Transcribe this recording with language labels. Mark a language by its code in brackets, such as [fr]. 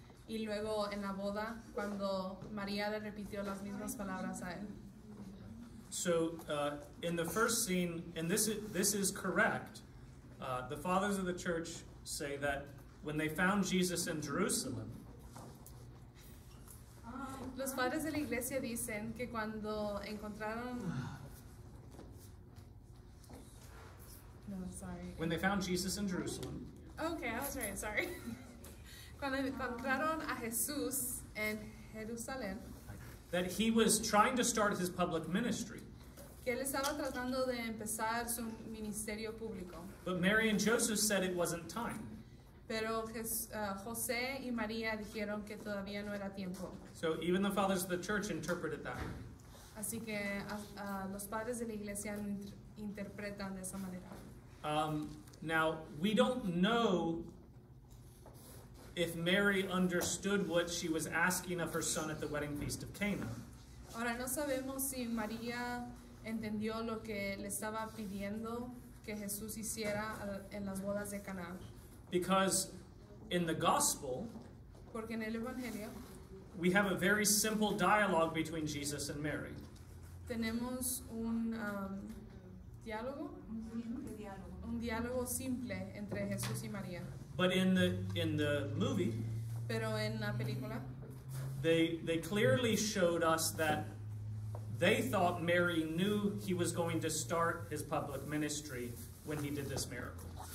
[es] Y luego en la boda, cuando María le repitió las mismas palabras a él. [en] So, in the first scene, and this is correct, the fathers of the church say that when they found Jesus in Jerusalem. [es] Los padres de la iglesia dicen que cuando encontraron... [en] No, sorry. When they found Jesus in Jerusalem. Okay, I was right, sorry. [es] Cuando encontraron a Jesús en Jerusalén, [en] that he was trying to start his public ministry. [es] Que él estaba tratando de empezar su ministerio público. [en] But Mary and Joseph said it wasn't time. [es] Pero José y María dijeron que todavía no era tiempo. [en] So even the fathers of the church interpreted that. [es] Así que los padres de la iglesia interpretan de esa manera. [en] Now, we don't know if Mary understood what she was asking of her son at the wedding feast of Cana. [es] Ahora no sabemos si María entendió lo que le estaba pidiendo que Jesús hiciera en las bodas de Cana. [en] Because in the gospel, [es] porque en el evangelio, [en] We have a very simple dialogue between Jesus and Mary. [es] Tenemos un diálogo, un diálogo simple entre Jesús y María. [en] But in the movie, [es] pero en la película, [en] they clearly showed us that they thought Mary knew he was going to start his public ministry when he did this miracle.